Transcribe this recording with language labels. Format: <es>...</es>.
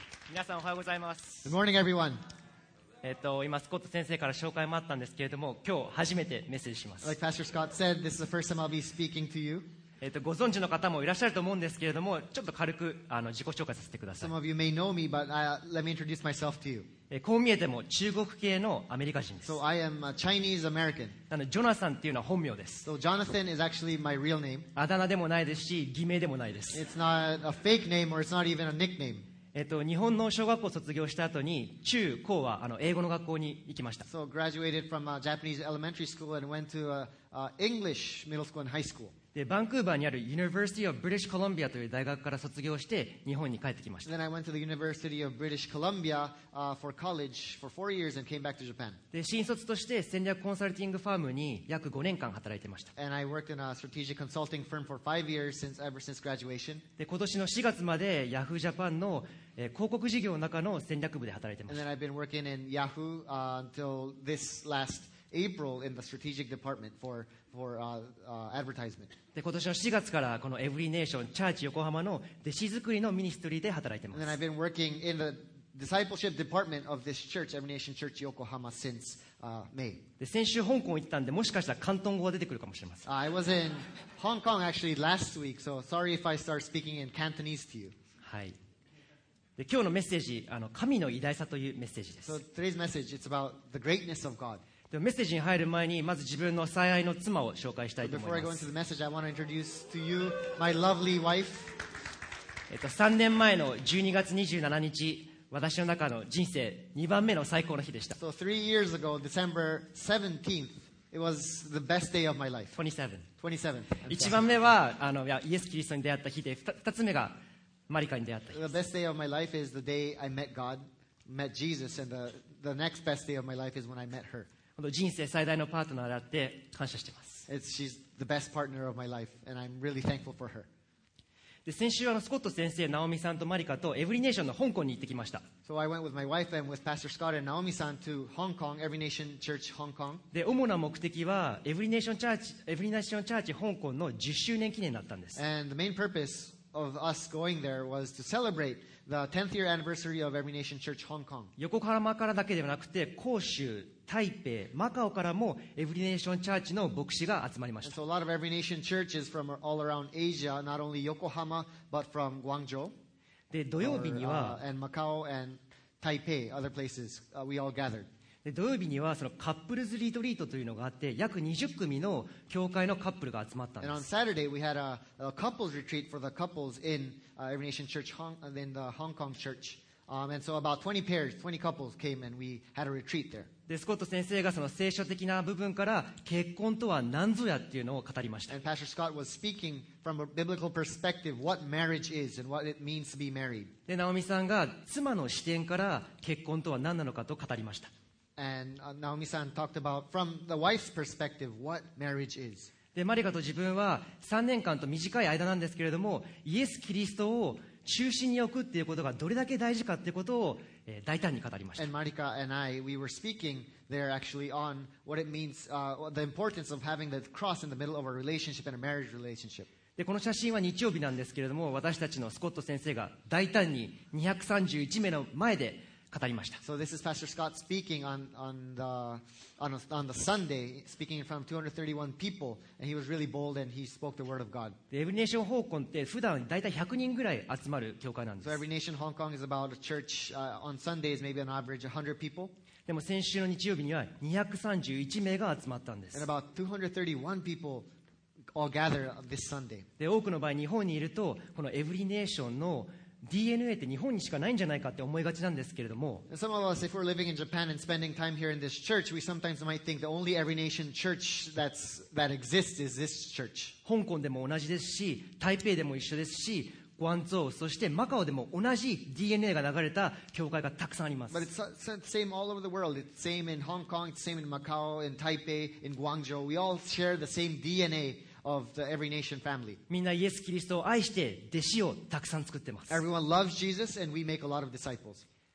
<ja>皆さんおはようございます。</ja> <en>Good morning, everyone.</en> <ja>今スコット先生から紹介もあったんですけれども、今日初めてメッセージします。</ja> <en>Like Pastor Scott said, this is the first time I'll be speaking to you.</en> <ja>ご存知の方もいらっしゃると思うんですけれども、ちょっと軽く自己紹介させてください。</ja> <en>Some of you may know me, but let me introduce myself to you.</en> <ja>こう見えても中国系のアメリカ人です。</ja> <en>So I am a Chinese American.</en> <ja>なのでジョナサンっていうのは本名です。</ja> <en>So Jonathan is actually my real name.</en> <ja>あだ名でもないですし、偽名でもないです。</ja> <en>It's not a fake name or it's not even a nickname.</en> <ja>日本の小学校を卒業した後に中高は英語の学校に行きました。</ja> <en>So graduated from a Japanese elementary school and went to a English middle school and high school.</en> <ja>で、バンクーバーにある University of British Columbia という大学から卒業して日本に帰ってきました。</ja> <en>Then I went to the University of British Columbia for college for 4 years and came back to Japan.</en> <ja>で、新卒として戦略コンサルティングファームに約5年間働いてました。</ja> <en>And I worked in a strategic consulting firm for 5 years ever since graduation.</en> <ja>で、今年の4月まで Yahoo Japan の広告事業の中の戦略部で働いてました。</ja> <en>And then I've been working in Yahoo until this last April in the strategic department for advertisement.</en> <ja>で、今年の4月からこのエブリネーションチャーチ横浜の弟子作りのミニストリーで働いてます。</ja> <en>And then I've been working in the discipleship department of this church, Every Nation Church Yokohama, since May.</en> <ja>で、先週香港行ったんで、もしかしたら広東語が出てくるかもしれません。</ja> <en>I was in Hong Kong actually last week, so sorry if I start speaking in Cantonese to you.</en> <ja>はい。で、今日のメッセージ、神の偉大さというメッセージです。</ja> <en>So today's message is about the greatness of God.</en> <ja>で、メッセージに入る前に、まず自分の最愛の妻を紹介したいと思います。</ja> <en>So before I go into the message, I want to introduce to you my lovely wife.</en> <ja>3年前の12月27日、私の中の人生2番目の最高の日でした。</ja> <en>So 3 years ago, December 17th, it was the best day of my life.</en> <ja>27. 1番目はイエス・キリストに出会った日で、2つ目がマリカに出会った日。</ja> <en>The best day of my life is the day I met God, met Jesus, and the next best day of my life is when I met her.</en> <ja>人生最大のパートナーであって感謝しています。</ja> <en>She's the best partner of my life, and I'm really thankful for her.</en> <ja>で、先週スコット先生、ナオミさんとマリカとエブリネーションの香港に行ってきました。</ja> <en>So I went with my wife and with Pastor Scott and Naomi-san to Hong Kong, Every Nation Church Hong Kong.</en> <ja>で、主な目的はエブリネーションチャーチ香港の10周年記念だったんです。</ja> <en>And the main purpose of us going there was to celebrate the 10th year anniversary of Every Nation Church Hong Kong.</en> <ja>横浜からだけではなくて、広州、台北、マカオからもEvery Nation Churchの牧師が集まりました。</ja> <en>And so a lot of Every Nation Churches from all around Asia, not only Yokohama, but from Guangzhou.</en> <ja>で、土曜日には、</ja> <en>and Macau and Taipei, other places, we all gathered.</en> <ja>で、土曜日にはそのカップルズリトリートというのがあって、約20組の教会のカップルが集まったんです。</ja> <en>And on Saturday we had a couples retreat for the couples in Every Nation Church Hong, in the Hong Kong Church. And so about 20 pairs, 20 couples came and we had a retreat there.</en> <ja>で、スコット先生がその聖書的な部分から結婚とは何ぞやっていうのを語りました。</ja> <en>And Pastor Scott was speaking from a biblical perspective what marriage is and what it means to be married.</en> <ja>で、ナオミさんが妻の視点から結婚とは何なのかと語りました。</ja> <en>And Naomi-san talked about from the wife's perspective what marriage is.</en> <ja>で、マリカと自分は3年間と短い間なんですけれども、イエス・キリストを中心に置くっていうことがどれだけ大事かっていうことを大胆に語りました。</ja> <en>And Marika and I, we were speaking there actually on what it means, the importance of having the cross in the middle of a relationship and a marriage relationship.</en> <ja>で、この写真は日曜日なんですけれども、私たちのスコット先生が大胆に231名の前で語りました。</ja> <en>So this is Pastor Scott speaking on the Sunday, speaking in front of 231 people, and he was really bold and he spoke the word of God.</en> <ja>Every Nation Hong Kong って普段だいたい100人ぐらい集まる教会なんです。</ja> <en>So Every Nation Hong Kong is about a church on Sundays, maybe an average 100 people.</en> <ja>でも先週の日曜日には231名が集まったんです。</ja> <en>And about 231 people all gathered this Sunday.</en> <ja>で、多くの場合日本にいるとこの Every Nation のDNA って日本にしかないんじゃないかって思いがちなんですけれども、</ja> <en>Some of us, if we're living in Japan and spending time here in this church, we sometimes might think the only Every Nation church that exists is this church.</en> <ja>香港でも同じですし、台北でも一緒ですし、グアンゾウ、そしてマカオでも同じ DNA が流れた教会がたくさんあります。</ja> <en>But it's the same all over the world. It's the same in Hong Kong, it's the same in Macau, in Taipei, in Guangzhou. We all share the same DNA of the every nation family.</en> <ja>みんなイエス・キリストを愛して弟子をたくさん作ってます。</ja> <en>Everyone loves Jesus and we make a lot of disciples.</en>